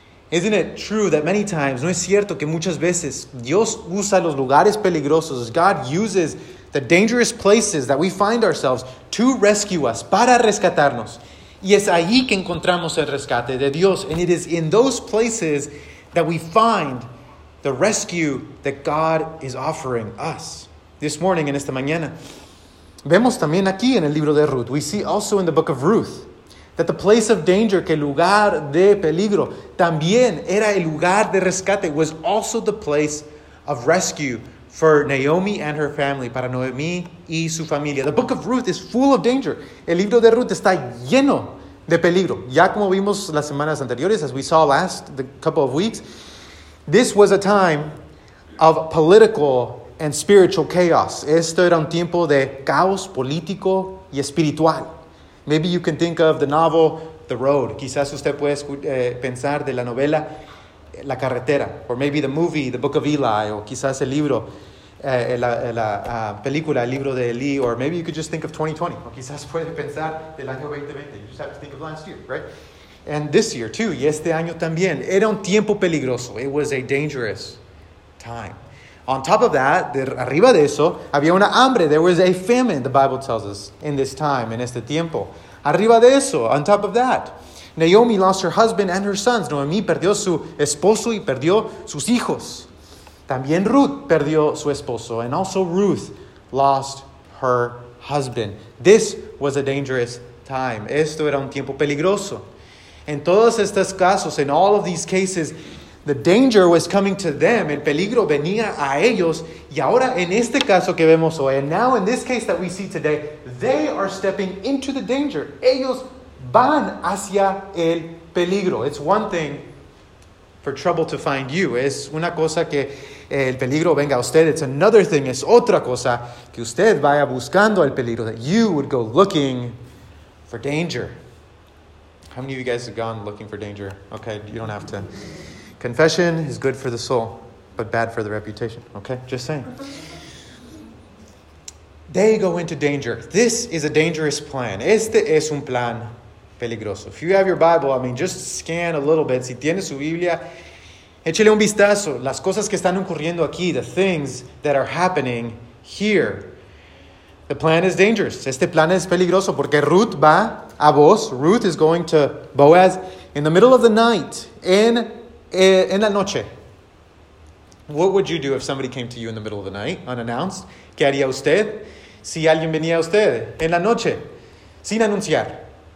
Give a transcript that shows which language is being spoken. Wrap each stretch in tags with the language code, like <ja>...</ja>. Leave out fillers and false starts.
<en>Isn't it true that many times,</en> <es>no es cierto que muchas veces Dios usa los lugares peligrosos,</es> <en>God uses the dangerous places that we find ourselves to rescue us,</en> <es>para rescatarnos. Y es ahí que encontramos el rescate de Dios.</es> <en>And it is in those places that we find the rescue that God is offering us. This morning,</en> <es>en esta mañana, vemos también aquí en el libro de Ruth.</es> <en>We see also in the book of Ruth that the place of danger,</en> <es>que lugar de peligro, también era el lugar de rescate,</es> <en>was also the place of rescue for Naomi and her family,</en> <es>para Noemi y su familia.</es> <en>The book of Ruth is full of danger.</en> <es>El libro de Ruth está lleno de peligro. Ya como vimos las semanas anteriores,</es> <en>as we saw last the couple of weeks, this was a time of political and spiritual chaos.</en> <es>Esto era un tiempo de caos político y espiritual.</es> <en>Maybe you can think of the novel, The Road.</en> <es>Quizás usted puede pensar de la novela, La Carretera.</es> <en>Or maybe the movie, The Book of Eli.</en> <es>O quizás el libro, película, El Libro de Eli.</es> <en>Or maybe you could just think of 2020.</en> <es>O quizás puede pensar del año 2020.</es> <en>You just have to think of last year, right? And this year too.</en> <es>Y este año también. Era un tiempo peligroso.</es> <en>It was a dangerous time. On top of that,</en> <es>arriba de eso, había una hambre.</es> <en>There was a famine, the Bible tells us, in this time, in</en> <es>este tiempo. Arriba de eso,</es> <en>on top of that, Naomi lost her husband and her sons.</en> <es>Noemi perdió su esposo y perdió sus hijos. También Ruth perdió su esposo.</es> <en>And also Ruth lost her husband. This was a dangerous time.</en> <es>Esto era un tiempo peligroso. En todos estos casos,</es> <en>in all of these cases, the danger was coming to them.</en> <es>El peligro venía a ellos. Y ahora, en este caso que vemos hoy,</es> <en>and now in this case that we see today, they are stepping into the danger.</en> <es>Ellos van hacia el peligro.</es> <en>It's one thing for trouble to find you.</en> <es>Es una cosa que el peligro venga a usted.</es> <en>It's another thing.</en> <es>Es otra cosa que usted vaya buscando el peligro.</es> <en>That you would go looking for danger. How many of you guys have gone looking for danger? Okay, you don't have to. Confession is good for the soul, but bad for the reputation. Okay, just saying. They go into danger. This is a dangerous plan.</en> <es>Este es un plan peligroso.</es> <en>If you have your Bible, I mean, just scan a little bit.</en> <es>Si tiene su Biblia, échale un vistazo. Las cosas que están ocurriendo aquí,</es> <en>the things that are happening here. The plan is dangerous.</en> <es>Este plan es peligroso porque Ruth va a Boaz.</es> <en>Ruth is going to Boaz in the middle of the night</en> <es>en la noche.</es> <en>What would you do if somebody came to you in the middle of the night, unannounced?</en> <es>¿Qué haría usted si alguien venía a usted en la noche, sin anunciar?</es>